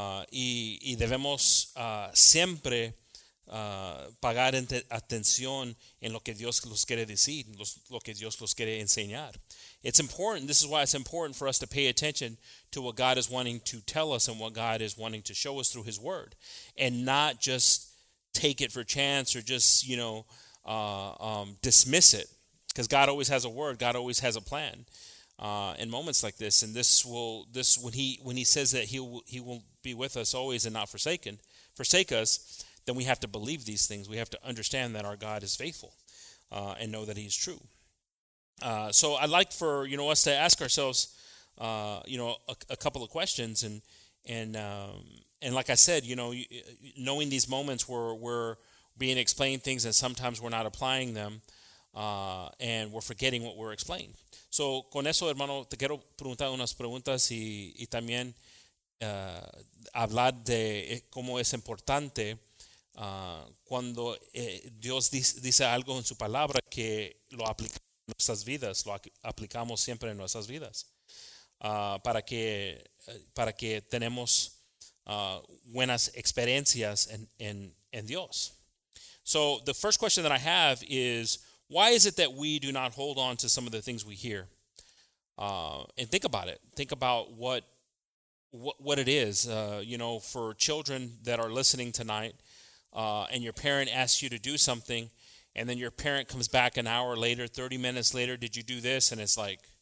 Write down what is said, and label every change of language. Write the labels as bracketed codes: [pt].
[es] Y debemos siempre pagar atención en lo que Dios los quiere decir, lo que Dios los quiere enseñar. [en] It's important. This is why it's important for us to pay attention to what God is wanting to tell us and what God is wanting to show us through His Word, and not just take it for chance or just, you know, dismiss it. Because God always has a word. God always has a plan in moments like this. And when He says that He will be with us always and not forsake us, then we have to believe these things. We have to understand that our God is faithful and know that He is true. So I'd like for, you know, us to ask ourselves, you know, a couple of questions. And like I said, you know, knowing these moments where we're being explained things and sometimes we're not applying them and we're forgetting what we're explained. [es] So con eso, hermano, te quiero preguntar unas preguntas y también hablar de cómo es importante cuando Dios dice algo en su palabra que lo aplica. Nuestras vidas, lo aplicamos siempre en nuestras vidas para que tenemos buenas experiencias en Dios. [en] So the first question that I have is, why is it that we do not hold on to some of the things we hear? And think about it. Think about what it is. You know, for children that are listening tonight and your parent asks you to do something, and then your parent comes back an hour later, 30 minutes later, did you do this? And it's like,